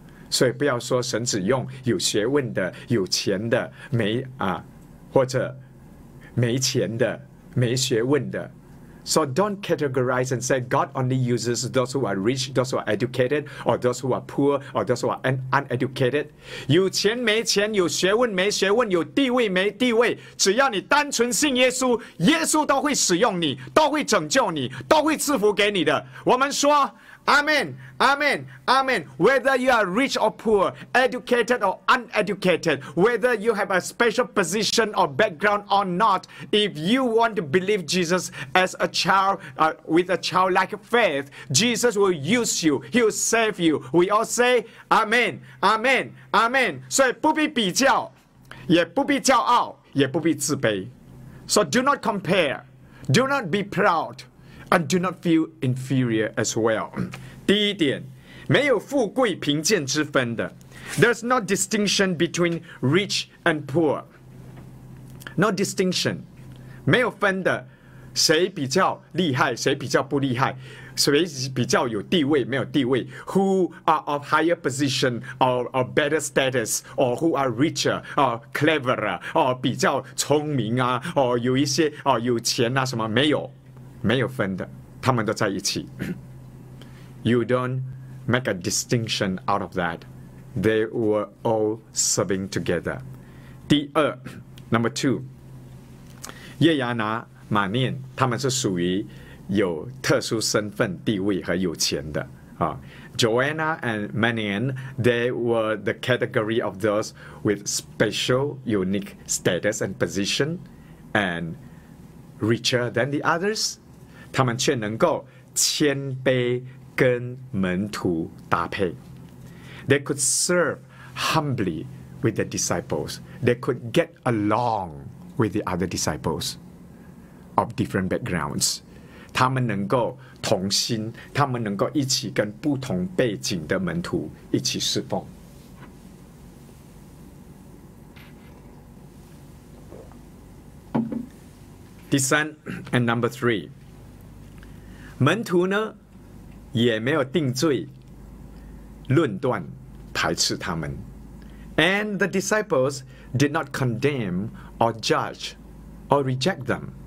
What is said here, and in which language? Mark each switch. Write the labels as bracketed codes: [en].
[zh] 所以不要说神只用有学问的、有钱的、没或者没钱的、没学问的， [en] So don't categorize and say God only uses those who are rich, those who are educated, or those who are poor, or those who are uneducated. [zh] 有钱没钱，有学问没学问，有地位没地位，只要你单纯信耶稣，耶稣都会使用你，都会拯救你，都会赐福给你的。我们说Amen, Amen, Amen. [en] Whether you are rich or poor, educated or uneducated, whether you have a special position or background or not, if you want to believe Jesus as a child, with a childlike faith, Jesus will use you. He will save you. We all say, Amen, Amen, Amen. [zh] 所以不必比较，也不必骄傲，也不必自卑。 [en] So do not compare. Do not be proud. And do not feel inferior as well. [zh] 第一点，没有富贵贫贱之分的。 [en] There's no distinction between rich and poor. No distinction. [zh] 没有分的，谁比较厉害，谁比较不厉害，谁比较有地位，没有地位。 [en] Who are of higher position or a better status, or who are richer, or cleverer, or [zh] 比较聪明啊，哦，有一些哦，有钱啊，什么没有。没有分的，他们都在一起。 [en] You don't make a distinction out of that. They were all serving together. [zh] 第二 ， [en] number two， [zh] 耶亚拿、马念，他们是属于有特殊身份、地位和有钱的啊。 [en] Joanna and Manian, they were the category of those with special, unique status and position, and richer than the others. [zh] 他们却能够谦卑跟门徒搭配。 [en] They could serve humbly with the disciples. They could get along with the other disciples of different backgrounds. [zh] 他们能够同心，他们能够一起跟不同背景的门徒一起侍奉。第三 [en] ，and number three. [zh] 门徒呢，也没有定罪、论断、排斥他们。 [en] And the disciples did not condemn or judge or reject them.